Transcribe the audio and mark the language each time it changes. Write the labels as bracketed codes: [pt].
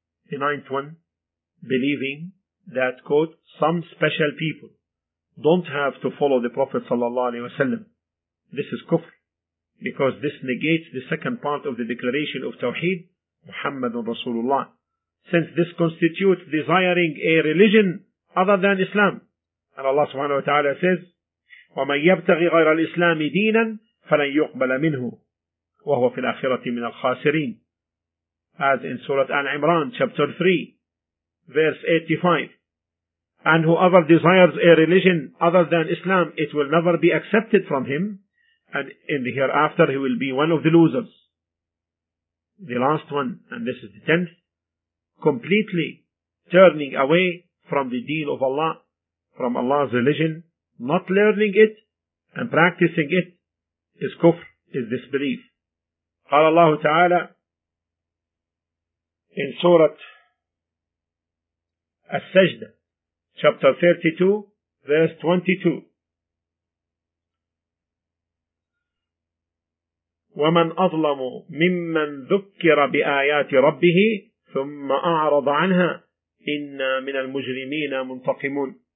[en] The ninth one, believing that, quote, some special people don't have to follow the Prophet sallallahu alaihi wasallam. This is kufr, because this negates the second part of the declaration of Tawheed, Muhammadun Rasulullah. Since this constitutes desiring a religion other than Islam. And Allah subhanahu wa ta'ala says, [ar] وَمَنْ يَبْتَغِ غَيْرَ الْإِسْلَامِ دِينًا فَلَنْ يُقْبَلَ مِنْهُ وَهُوَ فِي الْآخِرَةِ مِنَ الْخَاسِرِينَ. [en] As in Surah Al-Imran, chapter 3, verse 85. And whoever desires a religion other than Islam, it will never be accepted from him. And in the hereafter, he will be one of the losers. The last one, and this is the tenth, completely turning away from the deen of Allah, from Allah's religion, not learning it and practicing it, is kufr, is disbelief. [ar] قال الله تعالى [en] in Surah As-Sajda, chapter 32, verse 22. [ar] وَمَنْ أَظْلَمُ مِمَّنْ ذُكِّرَ بِآيَاتِ رَبِّهِ ثم أعرض عنها إن من المجرمين منتقمون.